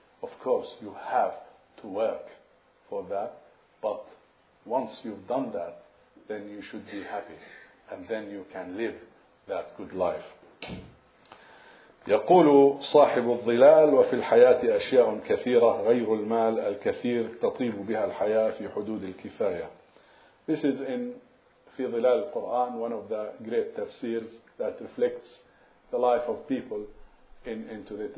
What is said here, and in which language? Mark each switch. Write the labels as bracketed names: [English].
[English] Of course, you have to work for that, but once you've done that, then you should be happy, and then you can live that good life. [Arabic] يقول صاحب الظلال وفي الحياة أشياء كثيرة غير المال الكثير تطيب بها الحياة في حدود الكفاية. [English] This is in في ظلال القرآن, one of the great tafsirs that reflects the life of people into it.